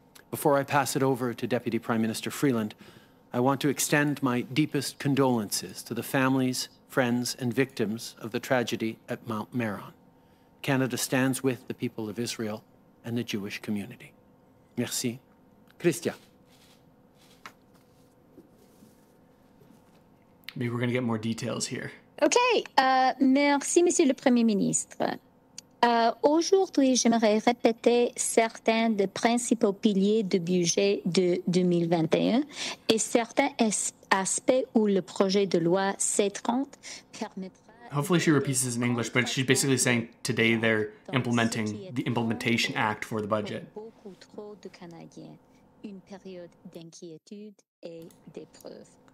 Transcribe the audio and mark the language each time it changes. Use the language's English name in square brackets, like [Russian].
[English] Before I pass it over to Deputy Prime Minister Freeland, I want to extend my deepest condolences to the families, friends, and victims of the tragedy at Mount Meron. Canada stands with the people of Israel and the Jewish community. [French] Merci. Christian. [English] Maybe we're going to get more details here. [French] Okay. Merci, Monsieur le Premier Ministre. Aujourd'hui, j'aimerais répéter certains des principaux piliers du budget de 2021 et certains aspects où le projet de loi C30 permettra. [English] Hopefully she repeats this in English, but she's basically saying today they're implementing the Implementation Act for the budget. [French] Beaucoup trop de Canadiens, une période d'inquiétude et d'épreuve.